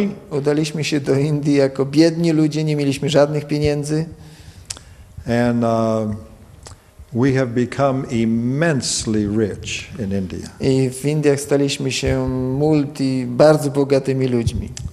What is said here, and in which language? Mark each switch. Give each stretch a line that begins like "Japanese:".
Polish: Udaliśmy się do Indii jako biedni ludzie, nie mieliśmy żadnych pieniędzy.
English: And we have become immensely rich in India.
Polish: I w Indiach staliśmy się bardzo bogatymi ludźmi.